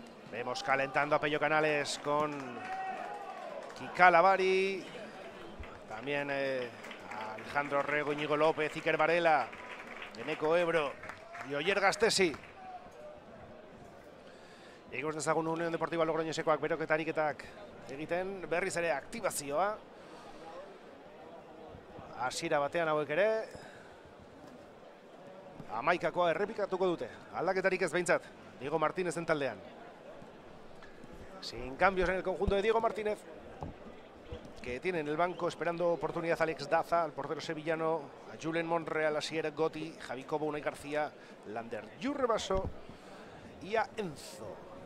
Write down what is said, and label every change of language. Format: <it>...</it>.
<es>Vemos calentando a Pello Canales con Kika Lavari. También a Alejandro Rego, Íñigo López, Iker Varela, Emeco Ebro y Oyer Gastesi.</es> <eu>Egoz dezagun Unión Deportiva Logroñesekoak beroketa ariketak egiten, berriz ere aktibazioa. Hasiera batean hauek ere. Hamaikakoa errepikatuko dute, aldaketarik ez behintzat, Diego Martínezen taldean.</eu> <es>sin cambios en el conjunto de Diego Martínez, que tiene en el banco esperando oportunidad Alex Daza, al portero sevillano, a Julen Monreal, a Sierra Gotti, Javi Cobo, Unai García, Lander Yurrebaso y a Enzo.</es>